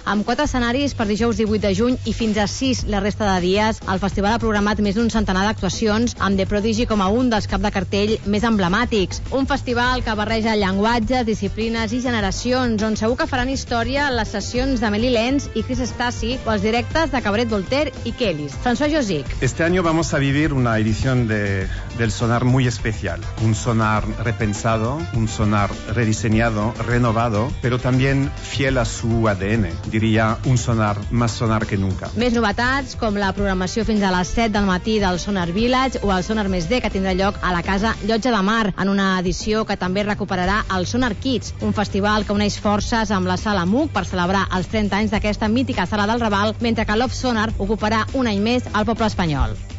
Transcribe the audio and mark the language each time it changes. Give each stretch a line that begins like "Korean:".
Catalan: Amb quatre escenaris per dijous 18 de juny i fins a 6 la resta de dies, el festival ha programat més d'un centenar d'actuacions, amb The Prodigy com a un dels cap de cartell més emblemàtics. Un festival que barreja llenguatges, disciplines i generacions, on segur que faran història les sessions de Melly Lenz i Chris Stassi, o els directes de Cabaret Voltaire i Kellys. François Josic.
Spanish: Este año vamos a vivir una edición del Sónar muy especial. Un Sónar repensado, un Sónar rediseñado, renovado, pero también fiel a su ADN. Diría un Sónar más Sónar que nunca.
Catalan: Més novetats, com la programació fins a les 7 del matí del Sónar Village o el Sónar Més D, que tindrà lloc a la casa Llotja de Mar, en una edició que també recuperarà el Sónar Kids, un festival que uneix forces amb la sala MUC per celebrar els 30 anys d'aquesta mítica sala del Raval, mentre que l'Off Sónar ocuparà un any més al poble espanyol.